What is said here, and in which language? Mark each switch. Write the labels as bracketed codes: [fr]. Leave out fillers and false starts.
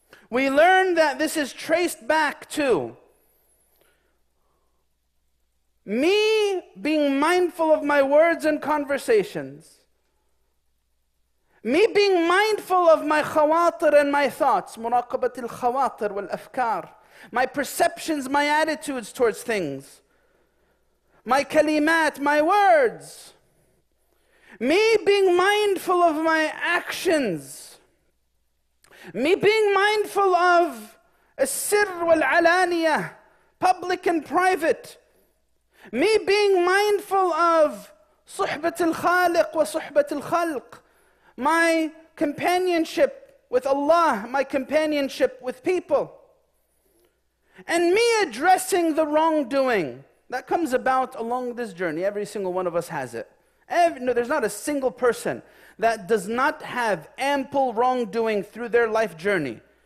[en] We learn that this is traced back to me being mindful of my words and conversations. Me being mindful of my khawatir and my thoughts. [ar] مراقبة الخواطر والأفكار. [en] My perceptions, my attitudes towards things. My kalimat, my words. Me being mindful of my actions. Me being mindful of [ar] السر والعلانية, [en] public and private. Me being mindful of [ar] صحبة الخالق وصحبة الخلق. [en] My companionship with Allah, my companionship with people. And me addressing the wrongdoing. That comes about along this journey. Every single one of us has it. There's not a single person that does not have ample wrongdoing through their life journey.